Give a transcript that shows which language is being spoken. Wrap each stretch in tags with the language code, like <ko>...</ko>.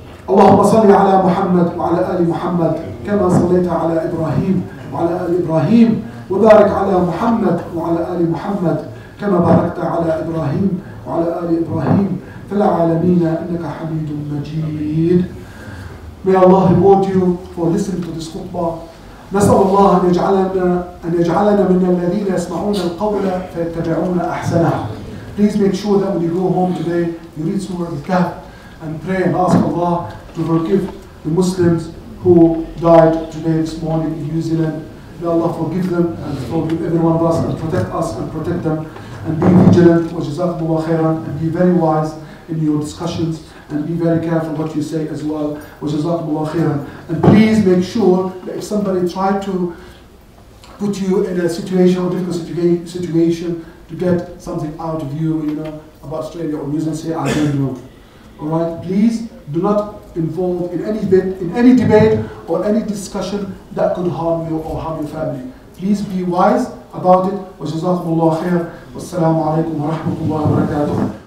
<ar>اللهم صل على محمد وعلى آل محمد كما صليت على إبراهيم وعلى آل إبراهيم، وبارك على محمد وعلى آل محمد كما باركت على إبراهيم وعلى آل إبراهيم في العالمين، إنك حميد مجيد.</ar> <en>May Allah reward you for listening to this khutbah.</en> <ar>نسأل الله أن يجعلنا من الذين يسمعون القول فيتبعون أحسنه.</ar> <en>Please make sure that when you go home today, you read Surah Al-Kahf and pray and ask Allah to forgive the Muslims who died today, this morning in New Zealand. May Allah forgive them and forgive everyone of us and protect them. And be vigilant,</en> <ar>وَجَزَاكُمُوا خَيْرًا,</ar> <en>and be very wise in your discussions. And be very careful what you say as well.</en> <ar>وَجَزَاكُمُوا خَيْرًا.</ar> <en>And please make sure that if somebody tried to put you in a situation or difficult situation to get something out of you, you know, about Australia or New Zealand, say, I don't know. Alright? Please do not involve in any bit, in any debate or any discussion that could harm you or harm your family. Please be wise about it.</en> <ar>وَجَزَاكُمُوا خَيْرًا. وَالسَّلَامُ عَلَيْكُمْ وَرَحْمَةُ اللَّهِ وَبَرَكَاتُهُ.</ar>